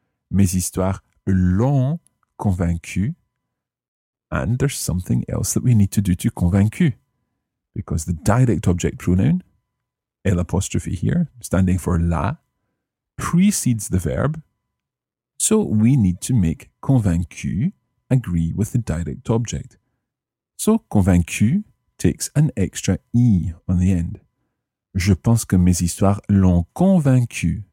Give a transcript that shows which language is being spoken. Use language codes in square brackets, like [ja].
[fr] Mes histoires l'ont convaincu. [en] And there's something else that we need to do to convaincu. Because the direct object pronoun, L apostrophe here, standing for la, precedes the verb. So we need to make convaincu agree with the direct object. So convaincu takes an extra E on the end. [fr] Je pense que mes histoires l'ont convaincu.